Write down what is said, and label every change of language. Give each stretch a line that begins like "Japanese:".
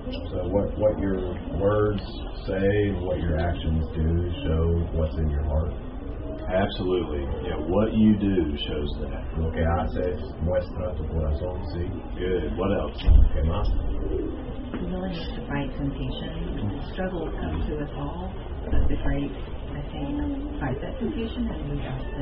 English: So what your words say, what your actions do, show what's in your heart. Absolutely. Yeah, what you do shows that.
Spanish: Lo que haces muestra tu corazón, sí.
English: Good. What else?
Spanish: ¿Qué más?
English: Willingness to fight temptation. Struggles come to us all, but if I fight that temptation, then we have